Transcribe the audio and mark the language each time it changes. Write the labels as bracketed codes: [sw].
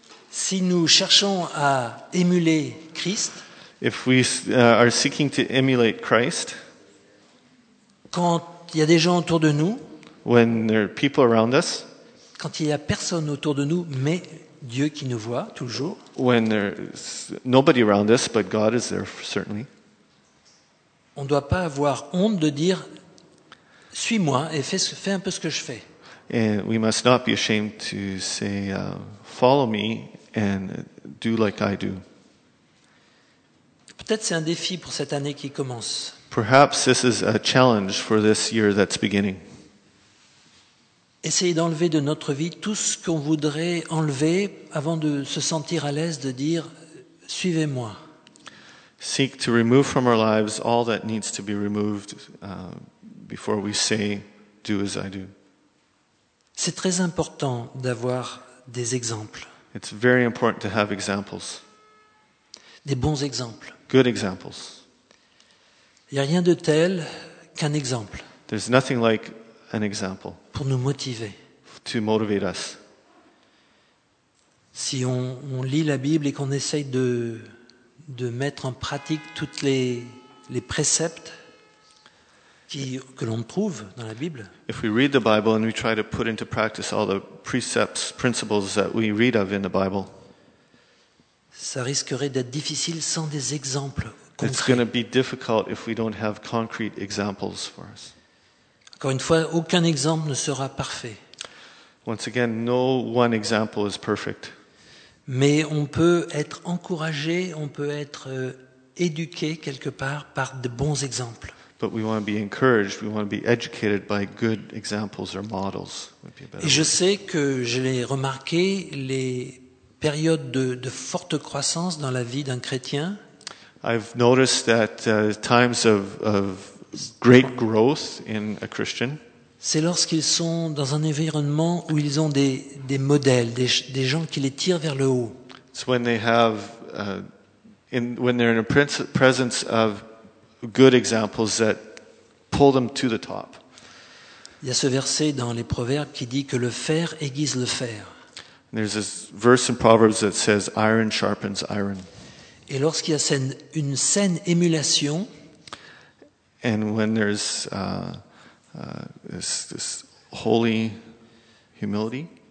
[fr] Si nous cherchons à émuler Christ, [en] if we are seeking to emulate Christ, [fr] quand il y a des gens autour de nous, [en] when there are people around us, [fr] quand il n'y a personne autour de nous, mais Dieu qui nous voit toujours. [en] When there's nobody around us, but God is there certainly. [fr] On ne doit pas avoir honte de dire, suis-moi et fais un peu ce que je fais. [en] And we must not be ashamed to say, follow me and do like I do. [fr] Peut-être c'est un défi pour cette année qui commence. [en] Perhaps this is a challenge for this year that's beginning. [fr] Essayez d'enlever de notre vie tout ce qu'on voudrait enlever avant de se sentir à l'aise de dire suivez-moi. [en] Seek to remove from our lives all that needs to be removed before we say do as I do. [fr] C'est très important d'avoir des exemples. [en] It's very important to have examples. [fr] Des bons exemples. [en] Good examples. [fr] Il n'y a rien de tel qu'un exemple. [en] There's nothing like an example. [fr] Pour nous motiver. [en] To motivate us. [fr] Si on lit la Bible et qu'on essaye de mettre en pratique tous les préceptes que l'on trouve dans la Bible. [en] If we read the Bible and we try to put into practice all the precepts, principles that we read of in the Bible. [fr] Ça risquerait d'être difficile sans des exemples concrets. [en] It's going to be difficult if we don't have concrete examples for us. [fr] Encore une fois, aucun exemple ne sera parfait. [en] Once again, no one example is perfect. [fr] Mais on peut être encouragé, on peut être éduqué quelque part par de bons exemples. [en] But we want to be encouraged, we want to be educated by good examples or models. [fr] Et je sais que je l'ai remarqué, les périodes de forte croissance dans la vie d'un chrétien. [en] I've noticed that times of great growth in a Christian. [fr] C'est lorsqu'ils sont dans un environnement où ils ont des modèles, des gens qui les tirent vers le haut. [en] It's when they have when they're in a presence of good examples that pull them to the top. [fr] Il y a ce verset dans les Proverbes qui dit que le fer aiguise le fer. [en] There's this verse in Proverbs that says iron sharpens iron. [fr] Et lorsqu'il y a une saine émulation, [en] and when there's this holy humility,